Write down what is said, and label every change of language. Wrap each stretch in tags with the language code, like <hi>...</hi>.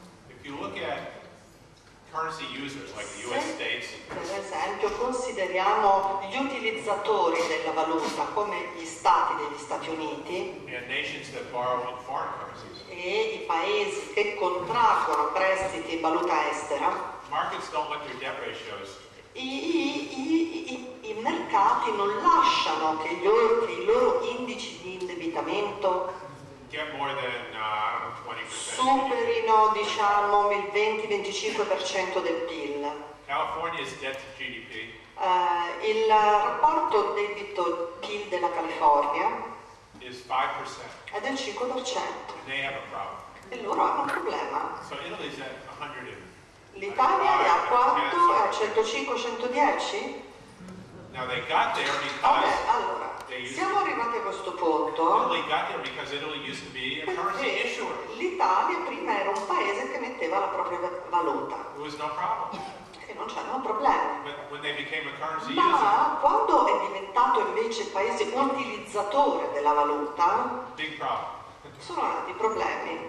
<en>If you look at currency users like the US States.</en> <it>Per esempio, consideriamo gli utilizzatori della valuta come gli stati degli Stati Uniti.</it> <en>And nations that borrow in foreign currencies.</en> <it>E i paesi che contraggono prestiti in valuta estera,</it> <en>markets don't like your debt ratios.</en> <it>I mercati non lasciano che i loro indici di indebitamento</it> <en>get more than, 20%</en> <it>superino, diciamo, il 20-25% del PIL.</it> <en>California's debt to GDP.</en> <it>Il rapporto debito PIL della California</it> <en>is 5%.</en> <it>È del 5%.</it> <en>And they have a problem.</en> <it>E loro hanno un problema.</it> <en>So Italy's at 100.</en> <it>L'Italia è a quanto? È a 105-110?</it> <en>Now they got there because</en> <it>allora,</it> <en>they used</en> <it>siamo arrivati a questo punto.</it> <en>Italy got there because Italy used to be a currency issuer.</en> <it>L'Italia prima era un paese che metteva la propria valuta.</it> <en>There was no problem.</en> <it>Non c'erano problemi.</it> <en>When they became a currency</en> <it>ma user, quando è diventato invece il paese utilizzatore della valuta</it> <en>big problem.</en> <it>Sono andati problemi.</it>